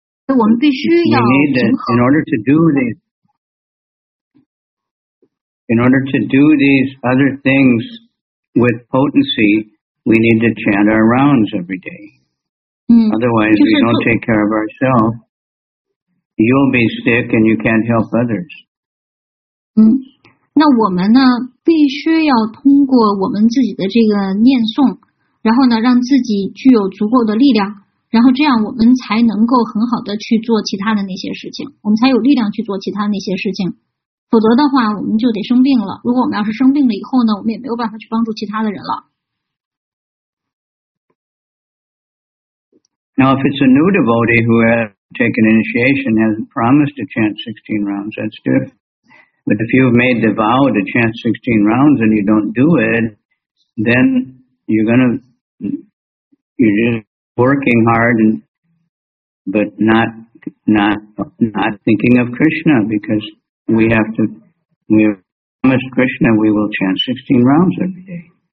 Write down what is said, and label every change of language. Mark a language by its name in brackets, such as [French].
[English] In order to do these other things,With potency, we need to chant our rounds every day. Otherwise, we don't take care of ourselves. You'll be sick and you can't help others. [Chinese] 那我们呢，必须要通过我们自己的这个念诵，然后呢，让自己具有足够的力量，然后这样我们才能够很好的去做其他的那些事情，我们才有力量去做其他的那些事情。否则的话我们就得生病了。如果我们要是生病了以后呢，我们也没有办法去帮助其他的人了。 [English] Now if it's a new devotee who has taken initiation has promised to chant 16 rounds, that's good. But if you've made the vow to chant 16 rounds and you don't do it, then you're just working hard and, but not thinking of Krishna becauseWe promise Krishna we will chant 16 rounds every day.